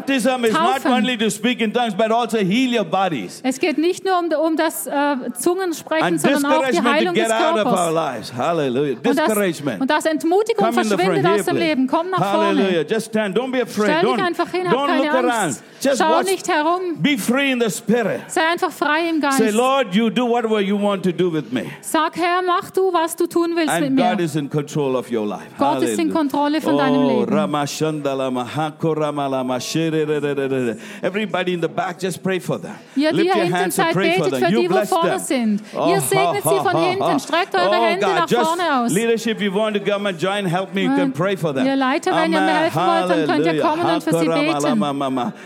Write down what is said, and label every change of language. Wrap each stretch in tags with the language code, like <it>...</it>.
<en>The baptism is not only to speak in tongues, but also heal your bodies.</en> <de>Es geht nicht nur um das Zungensprechen, sondern auch die Heilung des Körpers.</de> <en>And discouragement to get out of our lives. Hallelujah. Discouragement.</en> <de>Und das Entmutigung verschwindet aus dem Leben. Komm nach vorne.</de> <en>Hallelujah. Just stand. Don't be afraid.</en> <de>Stell dich einfach hin.</de> <en>Don't look around. Just</en> <de>schau nicht herum.</de> <en>Be free in the spirit.</en> <de>Sei einfach frei im Geist.</de> <en>Say, Lord, you do whatever you want to do with me.</en> <de>Sag, Herr, mach du, was du tun willst</de> <en>and</en> <de>mit mir.</de> <en>And God is in control of your life.</en> <de>Gott ist in Kontrolle von deinem Leben. Oh, Rama Shandala Mahakurama Mashere.</de> <en>Everybody in the back, just pray for them.</en> <de>Ihr, die hinten seid, betet für die, wo vorne sind. Ihr segnet sie von hinten. Streckt eure Hände nach vorne aus.</de> <en>Leadership, if you want to come and join, help me, you can pray for them.</en> <de>Ihr Leiter, wenn ihr mir helfen wollt, dann könnt ihr kommen und für sie beten.</de>